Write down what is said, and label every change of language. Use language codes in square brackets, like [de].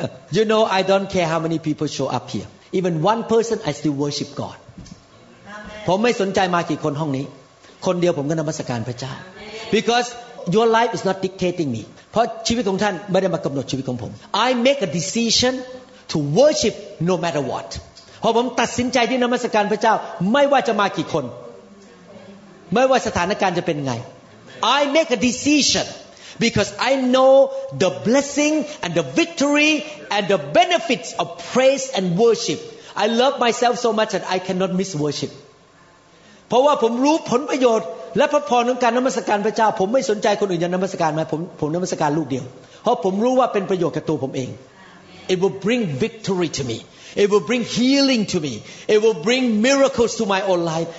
[en] You know, I don't care how many people show up here. Even one person, I still worship God. [th] ผมไม่สนใจมากี่คนห้องนี้คนเดียวผมก็นมัสการพระเจ้า [en] Because your life is not dictating me. [th] เพราะชีวิตของท่านไม่ได้มากำหนดชีวิตของผม [en] I make a decision to worship no matter what. [th] พอผมตัดสินใจที่นมัสการพระเจ้าไม่ว่าจะมากี่คนไม่ว่าสถานการณ์จะเป็นไง [en] I make a decision. Because I know the blessing and the victory and the benefits of praise and worship. I love myself so much that I cannot miss worship. [th] เพราะว่าผมรู้ผลประโยชน์และพระพรของการนมัสการพระเจ้าผมไม่สนใจคนอื่นจะนมัสการไหมผมนมัสการลูกเดียวเพราะผมรู้ว่าเป็นประโยชน์กับตัวผมเอง [en] It will bring victory to me. It will bring healing to me. It will bring miracles to my own life.